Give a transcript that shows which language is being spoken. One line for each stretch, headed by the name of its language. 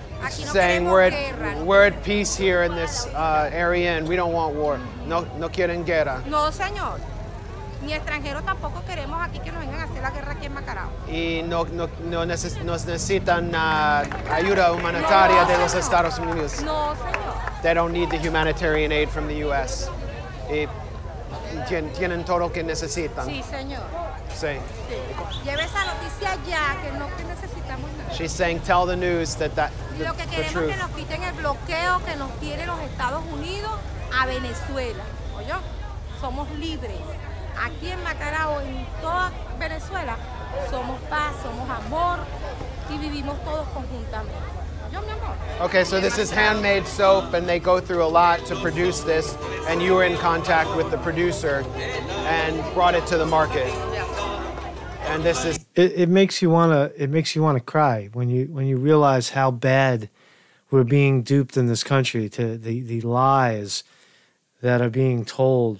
English: Saying we're at peace here in this area, and we don't want war.
Spanish: No quieren guerra. No, señor. Ni extranjeros tampoco queremos aquí que nos vengan a hacer la guerra aquí en Macarao. Y nos necesitan ayuda humanitaria de los Estados Unidos. No, señor.
English: They don't need the humanitarian aid from the U.S.
Spanish: Y tienen todo lo que necesitan. Sí, señor. Sí. Lleve esa noticia ya, que no que necesitamos nada.
English: She's saying, tell the news that the
Spanish: truth. Lo que queremos que nos quiten el bloqueo que nos tiene los Estados Unidos a Venezuela. ¿Oyó? Somos libres. Aquí en Macarao, en toda Venezuela, somos paz, somos amor, y vivimos todos conjuntamente.
English: Okay, so this is handmade soap, and they go through a lot to produce this, and you were in contact with the producer and brought it to the market. And this is it makes you want to cry when you realize how bad we're being duped in this country to the lies that are being told.